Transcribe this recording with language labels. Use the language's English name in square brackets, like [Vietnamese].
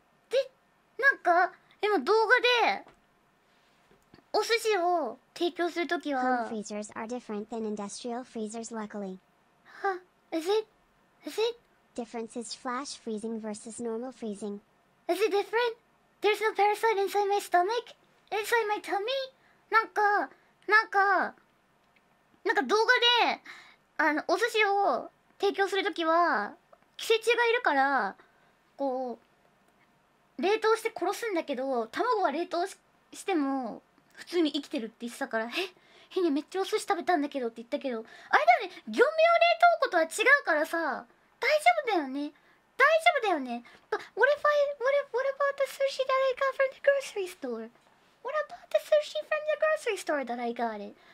[Japanese] で、なんか、今動画で、お寿司を、提供するときは [English] Home freezers are different than industrial freezers, luckily. Huh? Is it? Is it? Difference is flash freezing versus normal freezing. Is it different? There's no parasite inside my stomach? Inside my tummy? [Japanese] なんか動画で、お寿司を提供するときは、寄生虫がいるから、こう、冷凍して殺すんだけど、卵は冷凍しても、普通に生きてるって言ってたから、ヘニャめっちゃお寿司食べたんだけどって言ったけど、あれだよね、業務用冷凍庫とは違うからさ、大丈夫だよね。大丈夫だよね。 [English] What about the sushi that I got from the grocery store? What about the sushi from the grocery store that I got it?